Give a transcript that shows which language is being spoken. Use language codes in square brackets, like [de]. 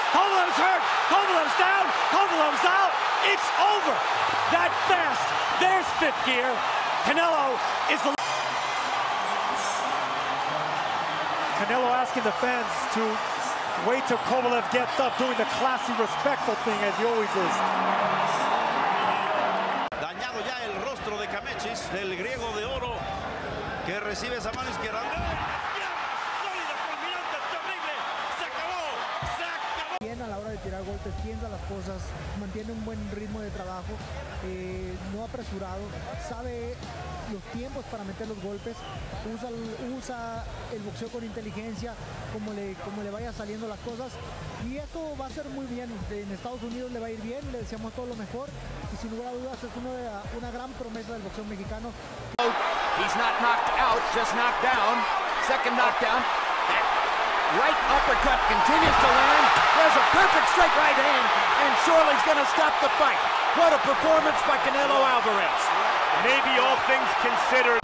[en] Kovalev's hurt. Kovalev's down. Kovalev's out. It's over. That fast. There's fifth gear. Canelo is the. Canelo asking the fans to wait till Kovalev gets up, doing the classy, respectful thing as he always is. [es] Dañado ya el rostro de Kamechis, del griego de oro, que recibe esa mano izquierda. ¡Sólida, fulminante, terrible! ¡Se acabó! ¡Se acabó! Bien a la hora de tirar golpes, tienda las cosas, mantiene un buen ritmo de trabajo, no apresurado, sabe los tiempos para meter los golpes, usa el boxeo con inteligencia, como le vaya saliendo las cosas, y esto va a ser muy bien. En Estados Unidos le va a ir bien, le deseamos todo lo mejor, y sin lugar a dudas es una gran promesa del boxeo mexicano. [en] He's not knocked out, just knocked down. Second knockdown. Right uppercut continues to land. There's a perfect straight right hand, and Shorley's gonna stop the fight. What a performance by Canelo Alvarez. Maybe all things considered.